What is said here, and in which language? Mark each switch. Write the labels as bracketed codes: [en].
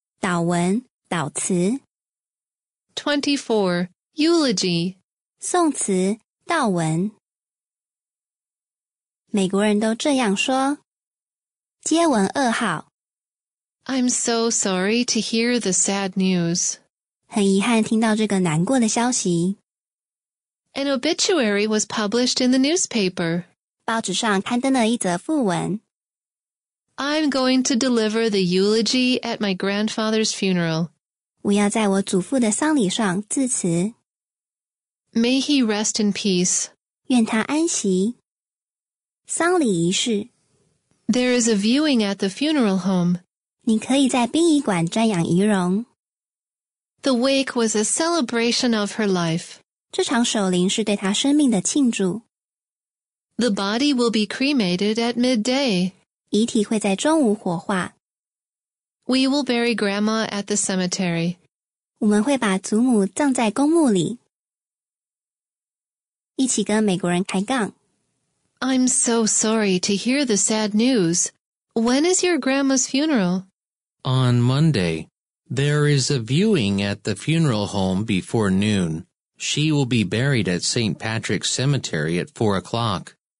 [zh] 祷文祷词 [en] 24. Eulogy. [zh] 颂词悼文美国人都这样说接吻噩耗 [en] I'm so sorry to hear the sad news. [zh] 很遗憾听到这个难过的消息 [en] An obituary was published in the newspaper. [zh] 报纸上刊登了一则讣文 [en] I'm going to deliver the eulogy at my grandfather's funeral. [zh] 我要在我祖父的丧礼上致辞 [en] May he rest in peace. [zh] 愿他安息丧礼仪式 [en] There is a viewing at the funeral home. [zh] 你可以在殡仪馆瞻仰仪容。 [en] The wake was a celebration of her life. [zh] 这场守灵是对她生命的庆祝。 [en] The body will be cremated at midday. [zh] 遗体会在中午火化。 [en] We will bury grandma at the cemetery. [zh] 我们会把祖母葬在公墓里。一起跟美国人开杠。 [en] I'm so sorry to hear the sad news. When is your grandma's funeral? On Monday. There is a viewing at the funeral home before noon. She will be buried at St. Patrick's Cemetery at 4 o'clock.